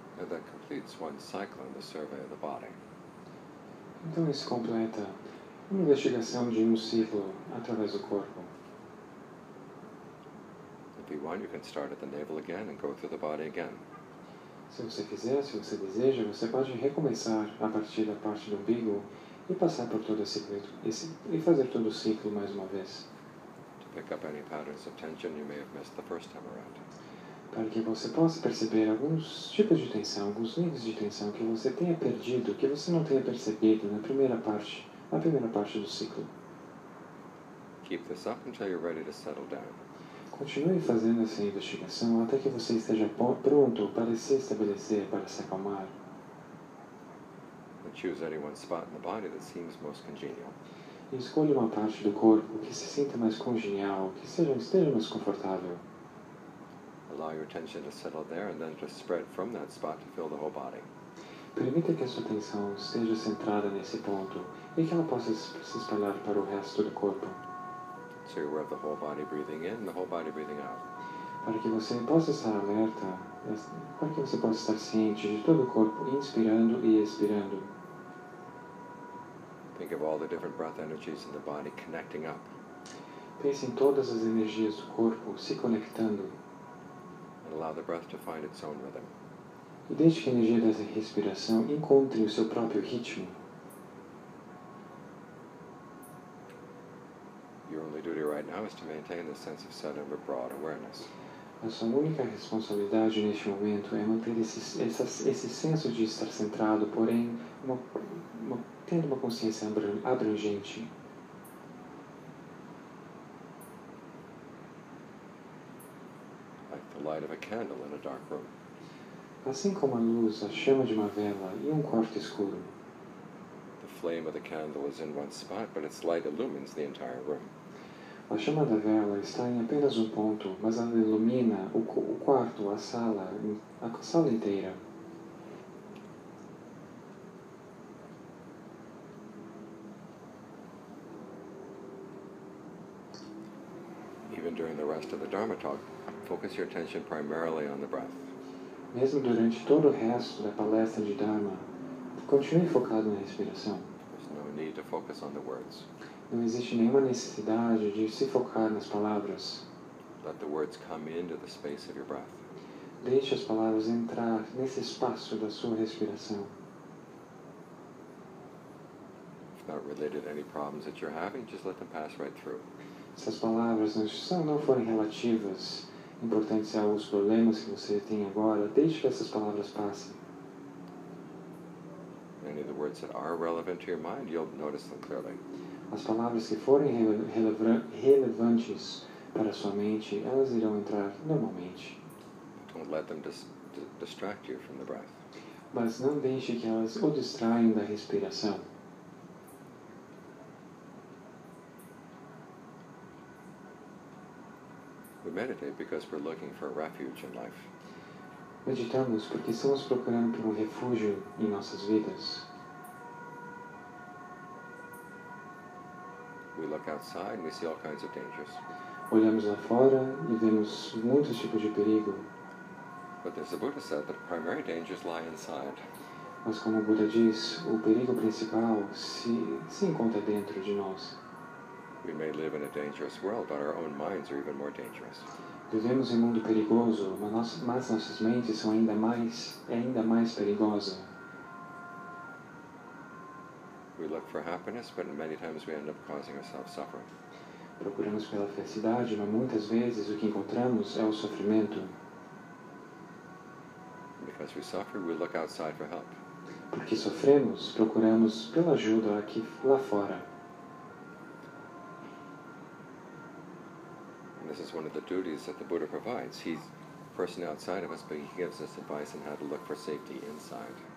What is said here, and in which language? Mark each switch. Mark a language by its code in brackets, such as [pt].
[en] that completes one cycle in the survey of the body. [pt] Então isso completa uma investigação de um ciclo através do corpo. [en] If you want, you can start at the navel again and go through the body again. [pt] Se você quiser, se você deseja, você pode recomeçar a partir da parte do umbigo e passar por todo esse ciclo e fazer todo o ciclo mais uma vez. [en] To pick up any patterns of tension you may have missed the first time around. [pt] Para que você possa perceber alguns tipos de tensão, alguns níveis de tensão que você tenha perdido, que você não tenha percebido na primeira parte do ciclo. [en] Keep this up until you're ready to settle down. [pt] Continue fazendo essa investigação até que você esteja pronto para se estabelecer, para se acalmar. [en] And choose any one spot in the body that seems most congenial. [pt] E escolha uma parte do corpo que se sinta mais congenial, que seja, esteja mais confortável. [en] Allow your attention to settle there and then just spread from that spot to fill the whole body. [pt] Permita que a sua atenção esteja centrada nesse ponto e que ela possa se espalhar para o resto do corpo. [en] So you're aware of the whole body breathing in, the whole body breathing out. [pt] Para que você possa estar alerta, para que você possa estar ciente de todo o corpo inspirando e expirando. [en] Think of all the different breath energies in the body connecting up. [pt] Pense em todas as energias do corpo se conectando. [en] And allow the breath to find its own rhythm. [pt] E deixe que a energia da respiração encontre o seu próprio ritmo. [en] Your only duty right now is to maintain the sense of centered but broad awareness. [pt] A sua única responsabilidade neste momento é manter esse senso de estar centrado, porém tendo uma consciência abrangente. [en] Like the light of a candle in a dark room. [pt] Assim como a luz, a chama de uma vela e quarto escuro. [en] The flame of the candle is in one spot, but its light illumines the entire room. [pt] A chama da vela está em apenas ponto, mas ela ilumina o quarto, a sala inteira. [en] Even during the rest of the Dharma talk, focus your attention primarily on the breath. [pt] Mesmo durante todo o resto da palestra de Dharma, continue focado na respiração. [en] There's no need to focus on the words. [pt] Não existe nenhuma necessidade de se focar nas palavras. [en] Let the words come into the space of your breath. [pt] Deixe as palavras entrar nesse espaço da sua respiração. [en] If not related to any problems that you're having, just let them pass right through. [pt] Se as palavras não forem relativas, importantes a alguns problemas que você tem agora, deixe que essas palavras passem. [en] Any of the words that are relevant to your mind, you'll notice them clearly. [pt] As palavras que forem relevantes para sua mente, elas irão entrar normalmente. [en] Don't let them distract you from the breath. [pt] Mas não deixe que elas o distraiam da respiração. [en] We meditate because we're looking for a refuge in life. [pt] Meditamos porque estamos procurando por refúgio em nossas vidas. [en] We look outside and we see all kinds of dangers. [pt] Olhamos lá fora e vemos muitos tipos de perigo. [en] But as the Buddha said, the primary dangers lie inside. [pt] Mas como o Buda diz, o perigo principal se encontra dentro de nós. [en] We may live in a dangerous world, but our own minds are even more dangerous. [pt] Vivemos em mundo perigoso, mas nossas mentes são ainda mais perigosa. [en] We look for happiness, but many times we end up causing ourselves suffering. [pt] Procuramos pela felicidade, mas muitas vezes o que encontramos é o sofrimento. [en] Because we suffer, we look outside for help. [pt] Porque sofremos, procuramos pela ajuda aqui lá fora. [en] This is one of the duties that the Buddha provides. He's personally outside of us, but he gives us advice on how to look for safety inside.